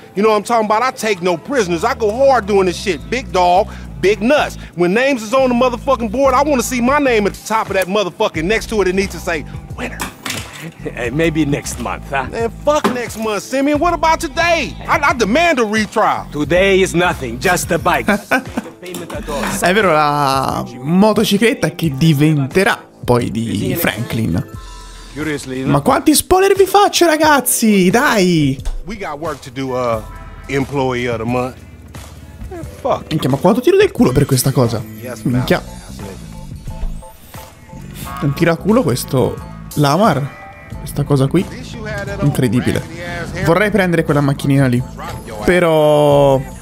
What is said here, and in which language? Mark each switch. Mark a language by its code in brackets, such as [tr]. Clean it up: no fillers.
[en] You know what I'm talking about? I take no prisoners. I go hard doing this shit. Big dog, big nuts. When names is on the motherfucking board, I want to see my name at the top of that motherfucking next to it. It needs to say, winner. Hey, maybe next month, huh? Man, fuck next month, Simeon. What about today? I demand a retrial. Today is nothing, just a bike. [it] È vero, la motocicletta che diventerà poi di Franklin. Ma quanti spoiler vi faccio, ragazzi? Dai! [en] We got work to do, employee of the month. Fuck. [it] Minchia, ma quanto tiro del culo per questa cosa? Minchia. Un tiraculo questo Lamar. sta cosa qui. Incredibile. Vorrei prendere quella macchinina lì. Però...